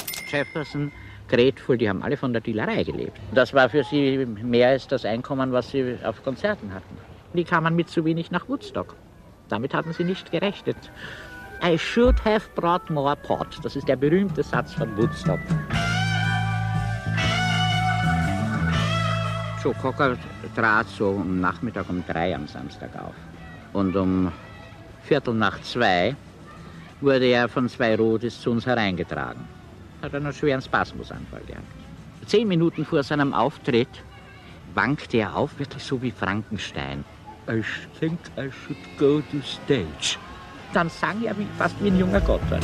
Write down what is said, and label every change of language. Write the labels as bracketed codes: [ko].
[de] Jefferson, Grateful, die haben alle von der Dealerei gelebt. Das war für sie mehr als das Einkommen, was sie auf Konzerten hatten. Die kamen mit zu wenig nach Woodstock. Damit hatten sie nicht gerechnet. [en] I should have brought more pot. [de] Das ist der berühmte Satz von Woodstock. Joe Cocker trat so um Nachmittag um 3 am Samstag auf. Und um 14:45 wurde er von 2 Rodis zu uns hereingetragen. Hat einen schweren Spasmusanfall gehabt. 10 Minuten vor seinem Auftritt wankte er auf, wirklich so wie Frankenstein. [en] I think I should go to stage. [de] Dann sang er wie, fast wie ein junger Gott.